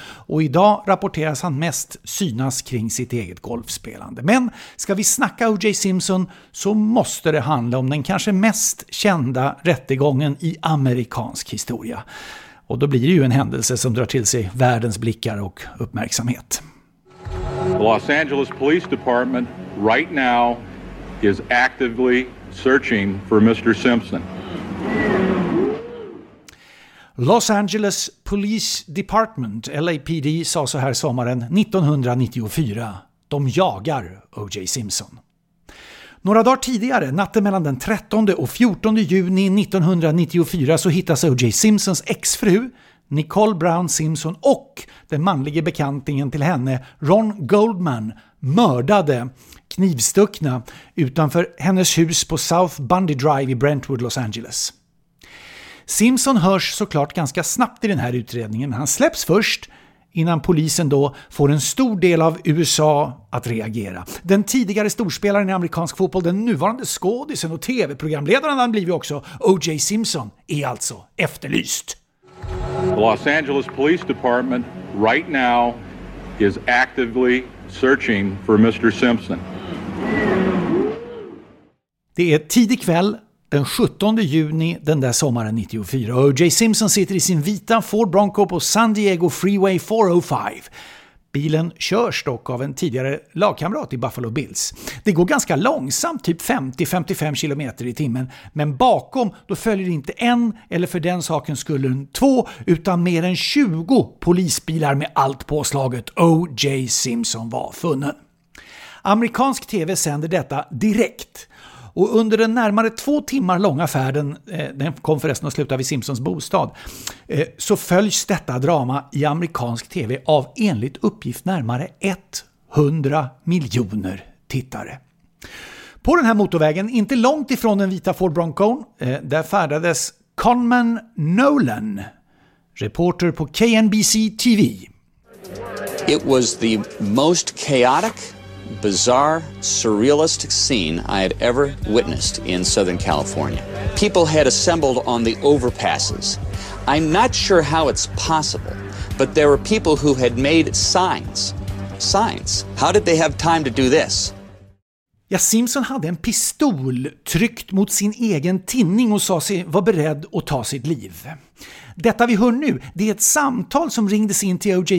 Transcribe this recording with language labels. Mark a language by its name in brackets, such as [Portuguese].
[Swedish] Och idag rapporteras han mest synas kring sitt eget golfspelande. Men ska vi snacka O.J. Simpson, så måste det handla om den kanske mest kända rättegången i amerikansk historia. Och då blir det ju en händelse som drar till sig världens blickar och uppmärksamhet. [English] The Los Angeles Police Department right now is actively searching for Mr. Simpson. [Swedish] Los Angeles Police Department, LAPD, sa så här sommaren 1994. De jagar O.J. Simpson. Några dagar tidigare, natten mellan den 13 och 14 juni 1994, så hittas O.J. Simpsons exfru Nicole Brown Simpson och den manliga bekantingen till henne, Ron Goldman, mördade, knivstuckna, utanför hennes hus på South Bundy Drive i Brentwood, Los Angeles. Simpson hörs såklart ganska snabbt i den här utredningen, men han släpps först innan polisen då får en stor del av USA att reagera. Den tidigare storspelaren i amerikansk fotboll, den nuvarande skådisen och tv-programledaren han blivit också, O.J. Simpson, är alltså efterlyst. [English] Los Angeles Police Department right now is actively searching for Mr. Simpson. [Swedish] Det är tidig kväll den 17 juni den där sommaren 94. O.J. Simpson sitter i sin vita Ford Bronco på San Diego Freeway 405. Bilen körs dock av en tidigare lagkamrat i Buffalo Bills. Det går ganska långsamt, typ 50-55 km i timmen. Men bakom då följer inte en, eller för den saken skulle en två, utan mer än 20 polisbilar med allt påslaget. O.J. Simpson var funnen. Amerikansk TV sänder detta direkt. Och under den närmare 2 timmar långa färden, den kom förresten att sluta vid Simpsons bostad, så följs detta drama i amerikansk TV av enligt uppgift närmare 100 miljoner tittare. På den här motorvägen, inte långt ifrån den vita Ford Broncon, där färdades Conman Nolan, reporter på KNBC TV. [English] It was the most chaotic, bizarre, surrealist scene I had ever witnessed in Southern California. People had assembled on the overpasses. I'm not sure how it's possible, but there were people who had made signs. Signs. How did they have time to do this? [Swedish] Ja, Simpson hade en pistol tryckt mot sin egen tinning och sa sig vara beredd att ta sitt liv. Detta vi hör nu, det är ett samtal som ringdes in till O.J.